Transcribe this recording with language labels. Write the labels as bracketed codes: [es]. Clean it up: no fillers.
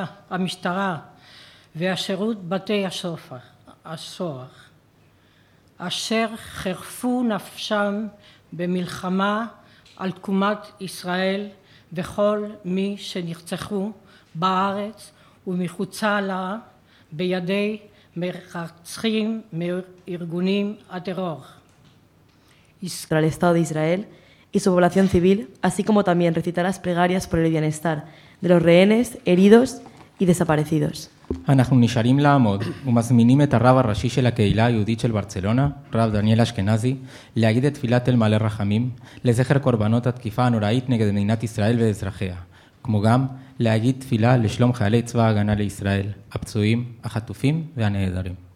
[he] המשטרה והשירות בתי הסוהר, אשר חרפו נפשם במלחמה על תקומת ישראל וכל מי שנרצחו בארץ ומחוצה לה בידי מרצחים מארגונים הטרור. [es] El Estado de Israel y su población civil, así como también recitar las plegarias por el bienestar de los rehenes, heridos y desaparecidos. [he] אנחנו נשארים לעמוד ומזמינים את הרב הראשי של הקהילה היהודית של ברצלונה, רב דניאל אשכנזי, להגיד את תפילת אל מלא רחמים לזכר קורבנות התקיפה הנוראית נגד מדינת ישראל ואזרחיה, כמו גם להגיד תפילה לשלום חיילי צבא ההגנה לישראל, הפצועים, החטופים והנעדרים.